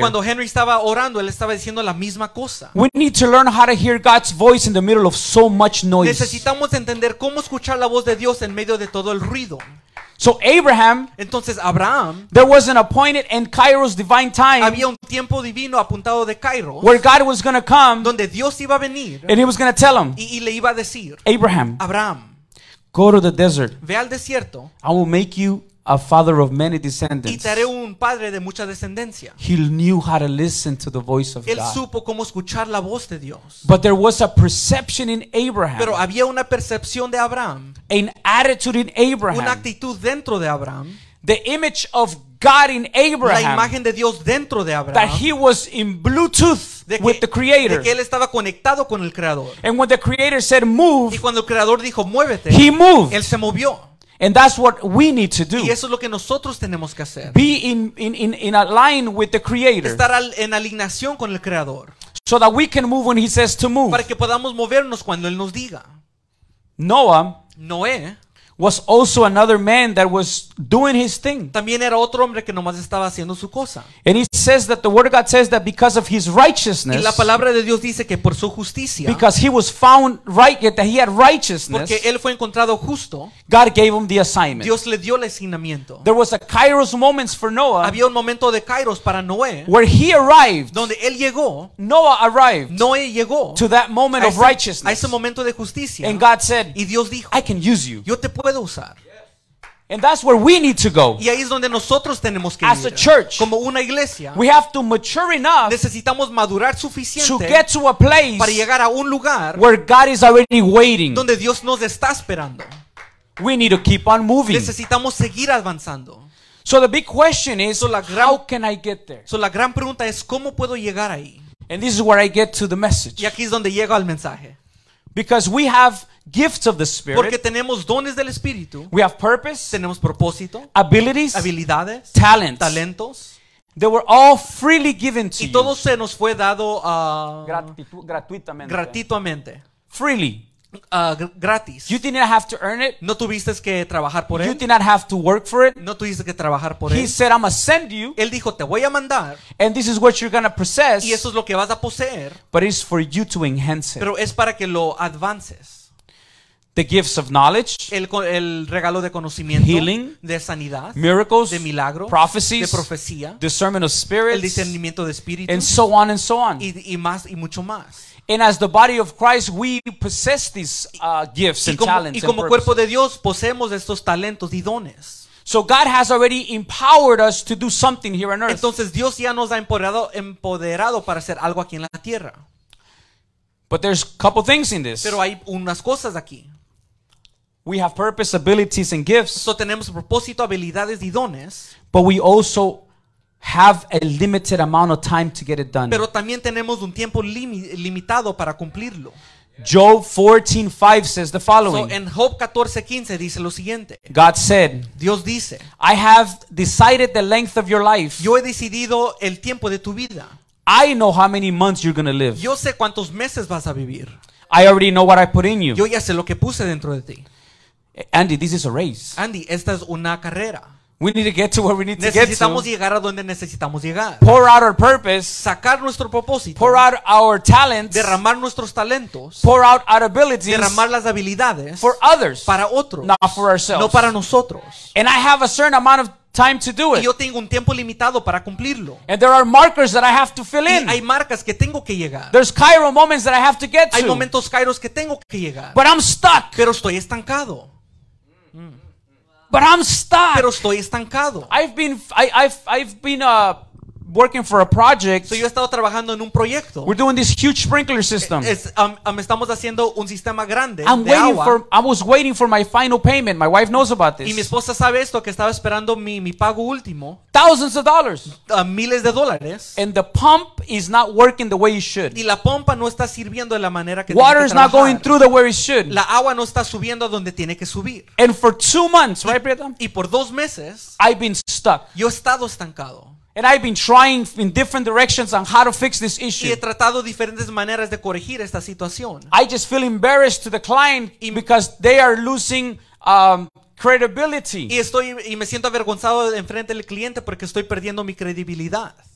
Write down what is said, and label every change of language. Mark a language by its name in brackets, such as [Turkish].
[Spanish] Cuando Henry estaba orando, él estaba diciendo la misma cosa. [English] We need to learn how to hear God's voice in the middle of so much noise. [Spanish] Necesitamos entender cómo escuchar la voz de Dios en medio de todo el ruido. [English] So Abraham, [Spanish] entonces Abraham, [English] there was an appointed and Kairos divine time. [Spanish] Había un tiempo divino apuntado de Kairos, [English] where God was going to come, [Spanish] donde Dios iba a venir, [English] and He was going to tell him. [Spanish] Y le iba a decir, [English] Abraham, [Spanish] Abraham, [English] go to the desert. [Spanish] Ve al desierto. [English] I will make you a father of many descendants. [Spanish] Y te haré un padre de mucha descendencia. [English] He knew how to listen to the voice of [Spanish] él [English] God. [Spanish] Él supo cómo escuchar la voz de Dios. [English] But there was a perception in Abraham. [Spanish] Pero había una percepción de Abraham. [English] An attitude in Abraham. [Spanish] Una actitud dentro de Abraham. [English] the image of God in Abraham, [Spanish] la imagen de Dios dentro de Abraham, [English] that he was in Bluetooth with the Creator, [Spanish] de que él estaba conectado con el Creador. [English] And when the Creator said move, [Spanish] y cuando el Creador dijo muévete, [English] he moved. [Spanish] Él se movió. [English] And that's what we need to do. [Spanish] Y eso es lo que nosotros tenemos que hacer. [English] Be in line with the Creator. [Spanish] Estar en alineación con el Creador. [English] So that we can move when he says to move. [Spanish] Para que podamos movernos cuando él nos diga. [English] Noé was also another man that was doing his thing. [Spanish] También era otro hombre que nomás estaba haciendo su cosa. [English] And he says that the word of God says that because of his righteousness. [Spanish] Y la palabra de Dios dice que por su justicia. [English] Because he was found right, that he had righteousness. [Spanish] Porque él fue encontrado justo. [English] God gave him the assignment. [Spanish] Dios le dio el asignamiento. [English] There was a Kairos moment for Noah. [Spanish] Había un momento de Kairos para Noé. [English] Where he arrived. [Spanish] Donde él llegó. [English] Noah arrived. [Spanish] Noé llegó. [English] To that moment of righteousness. [Spanish] A ese momento de justicia. [English] And God said. [Spanish] Y Dios dijo. [English] I can use you. [Spanish] Yo te puedo usar. [English] And that's where we need to go. [Spanish] Y ahí es donde nosotros tenemos que [English] as [Spanish] ir. [English] A church, [Spanish] como una iglesia, [English] we have to mature enough. [Spanish] Necesitamos madurar suficiente [English] to get to a place [Spanish] para llegar a un lugar [English] where God is already waiting. [Spanish] Donde Dios nos está esperando. [English] We need to keep on moving. [Spanish] Necesitamos seguir avanzando. [English] So the big question is, how can I get there? [Spanish] So la gran pregunta es cómo puedo llegar ahí. [English] And this is where I get to the message. [Spanish] Y aquí es donde llego al mensaje. [English] Because we have gifts of the Spirit. [Spanish] Porque tenemos dones del Espíritu. [English] We have purpose. [Spanish] Tenemos propósito. [English] Abilities. [Spanish] Habilidades. [English] Talents. [Spanish] Talentos. [English] They were all freely given to [Spanish] you. Y todo se nos fue dado gratuitamente. Gratuitamente. [English] Freely. [Spanish] Gratis. [English] You did not have to earn it. [Spanish] No tuviste que trabajar por él. [English] You did not have to work for it. [Spanish] No tuviste que trabajar por él. [English] He said, "I'm gonna send you." [Spanish] Él dijo, "Te voy a mandar." [English] And this is what you're gonna possess. [Spanish] Y eso es lo que vas a poseer. [English] But it's for you to enhance it. [Spanish] Pero es para que lo avances. [English] The gifts of knowledge, [Spanish] el regalo de conocimiento, [English] healing, [Spanish] de sanidad, [English] miracles, [Spanish] de milagros, [English] prophecies, [Spanish] de profecía, [English] discernment of spirits, [Spanish] el discernimiento de espíritus, [English] and so on and so on, [Spanish] y más y mucho más. [English] And as the body of Christ, we possess these gifts [Spanish] y como, [English] and talents [Spanish] y como [English] and [Spanish] cuerpo de Dios poseemos estos talentos y dones. [English] So God has already empowered us to do something here on earth. [Spanish] Entonces Dios ya nos ha empoderado para hacer algo aquí en la tierra. [English] But there's a couple things in this. [Spanish] Pero hay unas cosas aquí. [English] We have purpose, abilities, and gifts. [Spanish] So tenemos propósito, habilidades y dones. [English] But we also have a limited amount of time to get it done. [Spanish] Pero también tenemos un tiempo limitado para cumplirlo. [English] Job 14:5 says the following. [Spanish] So in Job 14:15 dice lo siguiente. [English] God said, [Spanish] Dios dice, [English] I have decided the length of your life. [Spanish] Yo he decidido el tiempo de tu vida. [English] I know how many months you're going to live. [Spanish] Yo sé cuántos meses vas a vivir. [English] I already know what I put in you. [Spanish] Yo ya sé lo que puse dentro de ti. [English] Andy, this is a race. [Spanish] Andy, esta es una carrera. [English] We need to get to where we need to get to. [Spanish] Necesitamos llegar a donde necesitamos llegar. [English] Pour out our purpose. [Spanish] Sacar nuestro propósito. [English] Pour out our talents. [Spanish] Derramar nuestros talentos. [English] Pour out our abilities. [Spanish] Derramar las habilidades. [English] For others. [Spanish] Para otros. [English] Not for ourselves. [Spanish] No para nosotros. [English] And I have a certain amount of time to do it. [Spanish] Y yo tengo un tiempo limitado para cumplirlo. [English] And there are markers that I have to fill in. [Spanish] Y hay marcas que tengo que llegar. [English] There's Kairos moments that I have to get to. [Spanish] Hay momentos Kairos que tengo que llegar. [English] But I'm stuck. [Spanish] Pero estoy estancado. [English] But I'm stuck. [Spanish] Pero estoy estancado. [English] I've been working for a project. [Spanish] So yo he estado trabajando en un proyecto. [English] We're doing this huge sprinkler system. [Spanish] Estamos haciendo un sistema grande [English] I'm [Spanish] de [English] waiting [Spanish] agua. [English] For, I was waiting for my final payment. My wife knows about this. [Spanish] Y mi esposa sabe esto, que estaba esperando mi pago último. [English] Thousands of dollars. [Spanish] Miles de dólares. [English] And the pump is not working the way it should. [Spanish] Y la pompa no está sirviendo de la manera que [English] water is not going through the way it should. [Spanish] La agua no está subiendo donde tiene que subir. [English] And for 2 months, right, Brenda? [Spanish] Y por 2 meses. [English] I've been stuck. [Spanish] Yo he estado estancado. [English] And I've been trying in different directions on how to fix this issue. [Spanish] Y he tratado diferentes maneras de corregir esta situación. [English] I just feel embarrassed to the client because they are losing credibility. [Spanish] Y me siento avergonzado enfrente del cliente porque estoy perdiendo mi credibilidad.